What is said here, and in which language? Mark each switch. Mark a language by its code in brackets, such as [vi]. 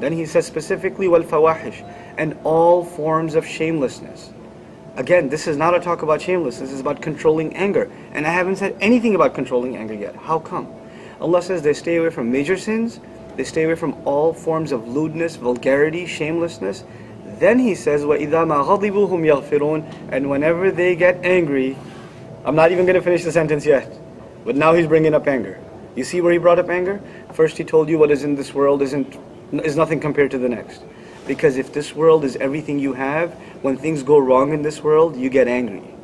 [en] Then he says specifically والفواحش and all forms of shamelessness. Again, this is not a talk about shamelessness. This is about controlling anger. And I haven't said anything about controlling anger yet. How come? Allah says they stay away from major sins. They stay away from all forms of lewdness, vulgarity, shamelessness. Then he says, [ar] وَإِذَا مَا غَضِبُوا هُمْ يَغْفِرُونَ. [en] And whenever they get angry, I'm not even going to finish the sentence yet. But now he's bringing up anger. You see where he brought up anger? First he told you what is in this world is nothing compared to the next. Because if this world is everything you have, when things go wrong in this world, you get angry.